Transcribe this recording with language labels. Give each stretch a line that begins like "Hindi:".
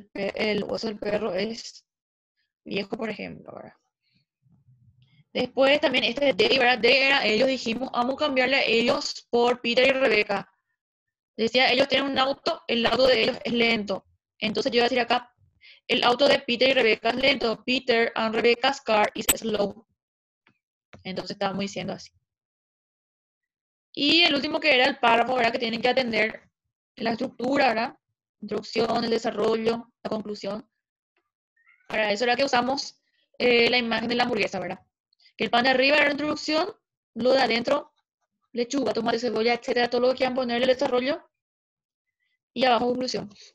Spanish: El hueso del perro es viejo, por ejemplo, ¿verdad? Después también este de Day, ¿verdad? Day era ellos, dijimos, vamos a cambiarle a ellos por Peter y Rebeca. Decía, ellos tienen un auto, el auto de ellos es lento. Entonces yo voy a decir acá, el auto de Peter y Rebeca es lento.
English: Peter and Rebecca's car is slow.
Spanish: Entonces estábamos diciendo así. Y el último que era el párrafo, ¿verdad? Que tienen que atender la estructura, ¿verdad? Introducción, el desarrollo, la conclusión. Para eso era que usamos la imagen de la hamburguesa, ¿verdad? Que el pan de arriba era la introducción, lo de adentro, lechuga, tomate, cebolla, etcétera, todo lo que quieran ponerle, el desarrollo, y abajo, conclusión.